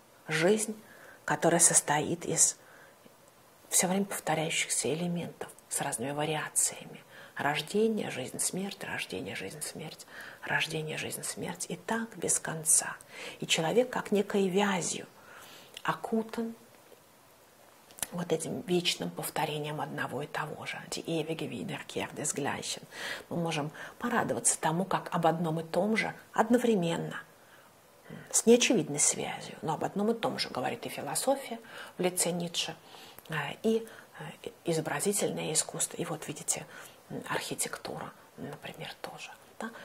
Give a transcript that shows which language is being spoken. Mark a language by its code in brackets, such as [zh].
[ru] Жизнь, которая состоит из все время повторяющихся элементов с разными вариациями. Рождение, жизнь, смерть, рождение, жизнь, смерть, рождение, жизнь, смерть. И так без конца. И человек как некой вязью окутан вот этим вечным повторением одного и того же. [de] Die ewige Wiederkehr des Gleichen. [ru] Мы можем порадоваться тому, как об одном и том же одновременно, с неочевидной связью, но об одном и том же говорит и философия в лице Ницше, и изобразительное искусство. И вот, видите, архитектура, например, тоже. Да?